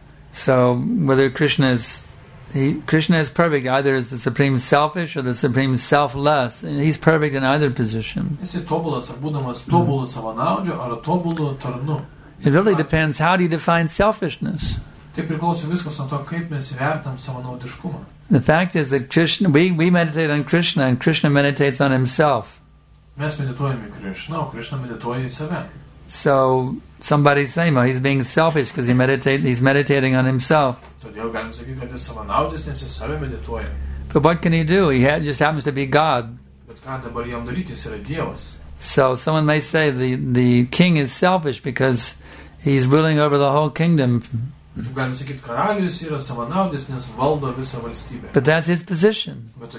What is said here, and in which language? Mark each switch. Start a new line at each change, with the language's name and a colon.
English: So, whether Krishna is perfect, either as the supreme selfish or the supreme selfless, and he's perfect in either position.
Lithuanian: Jis yra tobulas, ar būdamas tobulų savanaudžio, ar tobulų tarnu.
English: It really depends, how do you define selfishness? The fact is that Krishna, we meditate on Krishna and Krishna meditates on himself.
Lithuanian: Mes medituojame Krishna, o Krishna medituoja į save.
English: So somebody's saying, well, he's being selfish because he's meditating on himself.
Lithuanian: Todėl galim sakyti, kad jis savanaudis, nes jis save medituoja.
English: But what can he do? He just happens to be God.
Lithuanian: Bet ką dabar jam daryti, jis yra Dievas.
English: So someone may say the king is selfish because he's ruling over the whole kingdom. But that's his position.